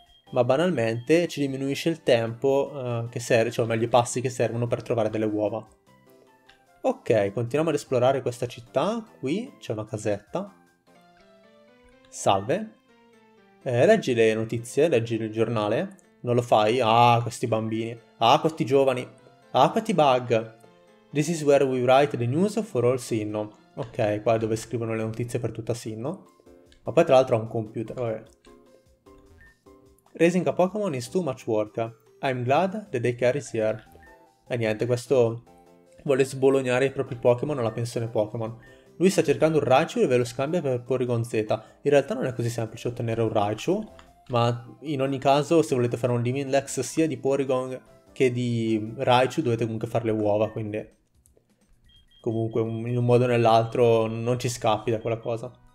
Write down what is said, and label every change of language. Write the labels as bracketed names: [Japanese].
[Italian] Ma banalmente ci diminuisce il tempo che serve, cioè meglio i passi che servono per trovare delle uova. Ok, continuiamo ad esplorare questa città. Qui c'è una casetta. Salve. Leggi le notizie, leggi il giornale. Non lo fai? Ah, questi bambini. Ah, questi giovani. Ah, questi bug. [English] This is where we write the news for all Sinnoh. [Italian] Ok, qua è dove scrivono le notizie per tutta Sinnoh. Ma poi tra l'altro ha un computer, vabbè. [English] Raising a Pokémon is too much work. I'm glad the daycare is here. [Italian] E niente, questo vuole sbolognare i propri Pokémon alla pensione Pokémon. Lui sta cercando un Raichu e ve lo scambia per Porygon Z. In realtà non è così semplice ottenere un Raichu, ma in ogni caso se volete fare un Diminlex sia di Porygon che di Raichu dovete comunque fare le uova, quindi comunque in un modo o nell'altro non ci scappi da quella cosa.